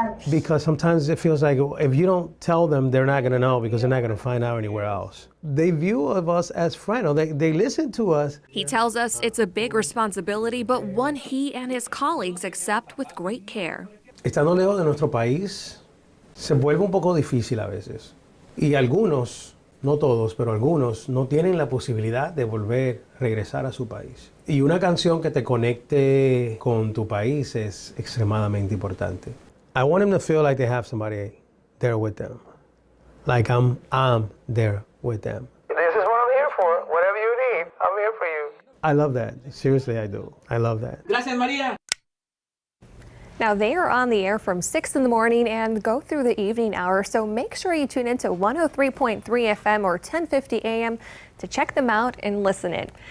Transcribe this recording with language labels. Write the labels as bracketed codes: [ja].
[en] Because sometimes it feels like if you don't tell them, they're not going to know, because they're not going to find out anywhere else. They view of us as friends. They listen to us. He tells us it's a big responsibility, but one he and his colleagues accept with great care. [es] Estando lejos de nuestro país, se vuelve un poco difícil a veces. Y algunos, no todos, pero algunos, no tienen la posibilidad de volver, regresar a su país. Y una canción que te conecte con tu país es extremadamente importante. [en] I want them to feel like they have somebody there with them. Like I'm there with them. This is what I'm here for. Whatever you need, I'm here for you. I love that. Seriously, I do. I love that. [es] Gracias, Maria. [en] Now, they are on the air from 6 in the morning and go through the evening hour, so make sure you tune in to 103.3 FM or 1050 AM to check them out and listen in.